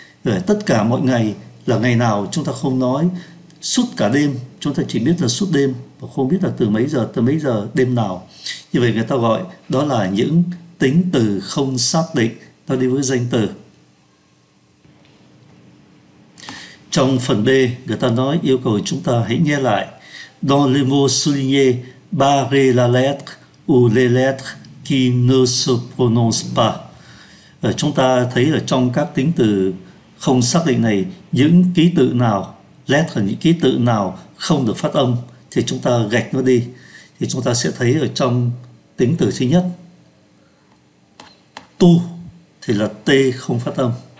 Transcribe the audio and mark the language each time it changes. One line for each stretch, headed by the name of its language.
Vietnamese: Rồi tất cả mọi ngày là ngày nào chúng ta không nói. Suốt cả đêm, chúng ta chỉ biết là suốt đêm và không biết là từ mấy giờ tới mấy giờ đêm nào. Như vậy người ta gọi đó là những tính từ không xác định, nó đi với danh từ. Trong phần B, người ta nói yêu cầu chúng ta hãy nghe lại.
French: Dans les mots soulignés, barre la lettre ou les lettres qui ne se prononcent pas.
Vietnamese: Chúng ta thấy là trong các tính từ không xác định này, những ký tự nào, lettre, những ký tự nào không được phát âm thì chúng ta gạch nó đi. Thì chúng ta sẽ thấy ở trong tính từ thứ nhất, tu thì là t không phát âm.